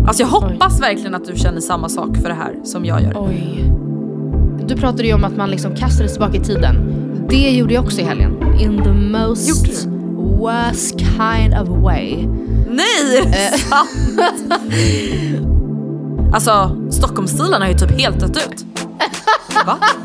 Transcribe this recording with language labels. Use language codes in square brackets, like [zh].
[sv] Alltså jag hoppas verkligen att du känner samma sak för det här som jag gör. Oj. Du pratade ju om att man liksom kastades tillbaka i tiden. Det gjorde jag också i helgen. [en] In the most worst kind of way. [sv] Nej! Alltså, Stockholmsstilen har ju typ helt dött ut. Va?